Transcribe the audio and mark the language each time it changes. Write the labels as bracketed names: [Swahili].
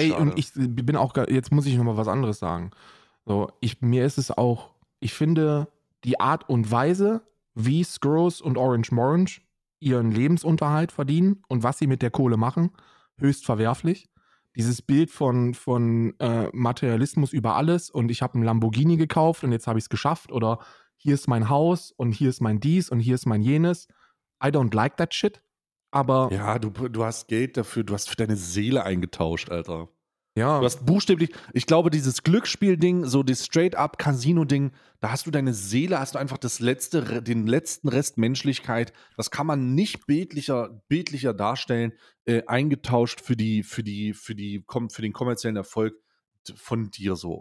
[German] ey, schade. Und ich bin auch, jetzt muss ich nochmal was anderes sagen. So, ich finde die Art und Weise, wie Skrulls und Orange Morange ihren Lebensunterhalt verdienen und was sie mit der Kohle machen, höchst verwerflich. Dieses Bild von Materialismus über alles und ich habe einen Lamborghini gekauft und jetzt habe ich es geschafft oder hier ist mein Haus und hier ist mein dies und hier ist mein jenes. [English] I don't like that shit, aber... [German] Ja, du hast Geld dafür, du hast für deine Seele eingetauscht, Alter. Ja. Du hast buchstäblich, ich glaube, dieses Glücksspiel-Ding, so das Straight-Up-Casino-Ding, da hast du deine Seele, hast du einfach den letzten Rest Menschlichkeit, das kann man nicht bildlicher darstellen, eingetauscht für den kommerziellen Erfolg von dir so.